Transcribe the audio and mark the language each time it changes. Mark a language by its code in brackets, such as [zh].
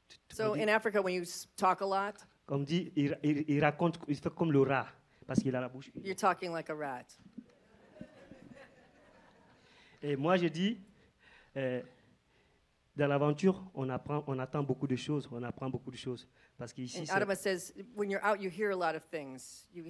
[en] so in Africa when you talk a lot, [fr] comme dit, il raconte, il fait comme le rat parce qu'il a la bouche. [en] You're talking like a rat. [fr] Et moi je dis dans l'aventure, on attend beaucoup de choses, on apprend beaucoup de choses parce qu'ici [en] c'est Adama says when you're out you hear a lot of things.